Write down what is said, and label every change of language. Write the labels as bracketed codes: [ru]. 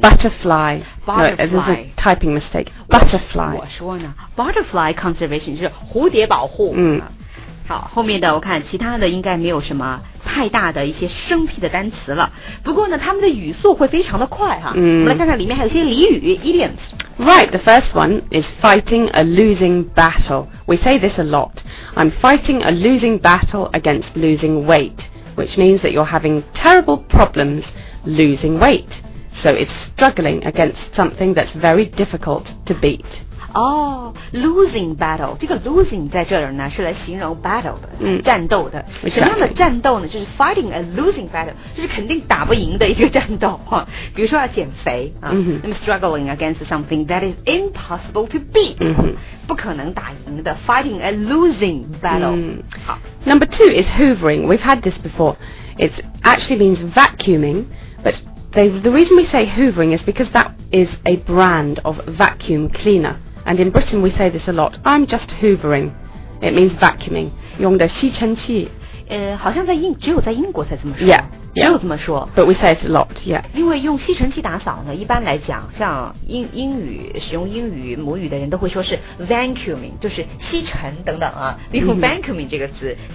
[en] Butterfly. Butterfly. No, there's a typing mistake. Butterfly. [zh] 我说呢 ， [en] butterfly conservation [zh] 就是蝴蝶保护。嗯，好，后面的我看其他的应该没有什么太大的一些生僻的单词了。不过呢，他们的语速会非常的快哈。嗯，我们来看看里面还有些俚语 idioms。 [en] Right, the first one is fighting a losing battle. We say this a lot. I'm fighting a losing battle against losing weight, which means that you're having terrible problems. Losing weight. So it's struggling against something that's very difficult to beat. Oh, losing battle. [zh] 这个 losing 在这儿呢是来形容 battle 的、嗯、战斗的、 [en] exactly. [zh] 什么样的战斗呢就是 [en] fighting a losing battle [zh] 就是肯定打不赢的一个战斗、啊、比如说要减肥、啊 mm-hmm. [en] I'm struggling against something that is impossible to beat、 mm-hmm. [zh] 不可能打赢的 [en] fighting a losing battle、嗯、 [zh] 好 [en] Number two is hoovering. We've had this beforeIt actually means vacuuming, but the reason we say hoovering is because that is a brand of vacuum cleaner. And in Britain we say this a lot, I'm just hoovering. It means vacuuming. [zh] 用的吸尘器。好像在英只有在英国才这么说。 [en] Yeah. [zh] 没有这么说 [en] But we say it a lot, yeah. [zh] 因为用吸尘器打扫呢一般来讲像 英语使用英语母语的人都会说是 vacuuming, 就是吸尘等等啊例如 vacuuming 这个词、mm-hmm.